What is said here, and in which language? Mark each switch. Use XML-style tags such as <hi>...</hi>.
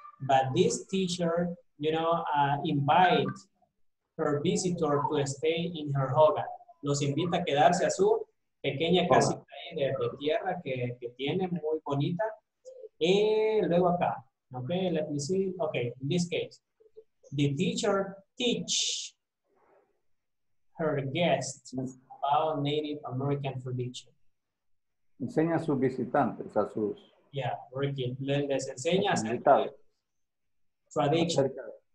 <en>But this teacher, you know, invite her visitor to stay in her hogar.</en> <es>Los invita a quedarse a su pequeña casita de tierra que tiene, muy bonita.</es> <en>Y luego acá. Okay, let me see. Okay, in this case, the teacher teach her guest about Native American tradition.</en> <es>Enseña a sus visitantes, a sus... Yeah, very good. Les enseña acerca de tradición.</es>